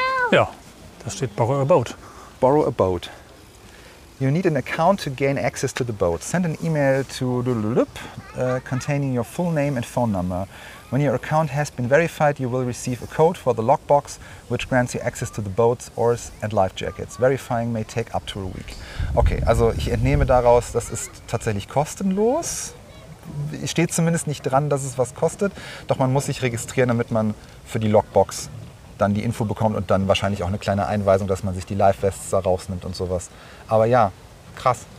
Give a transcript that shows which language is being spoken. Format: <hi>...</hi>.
<de>Ja, da steht</de> <en>Borrow a Boat. Borrow a Boat. You need an account to gain access to the boat. Send an email to containing your full name and phone number. When your account has been verified, you will receive a code for the lockbox, which grants you access to the boats, oars and life jackets. Verifying may take up to a week.</en> <de>Okay, also ich entnehme daraus, das ist tatsächlich kostenlos. Steht zumindest nicht dran, dass es was kostet, doch man muss sich registrieren, damit man für die Logbox dann die Info bekommt und dann wahrscheinlich auch eine kleine Einweisung, dass man sich die Live-Vests da rausnimmt und sowas. Aber ja, krass.</de>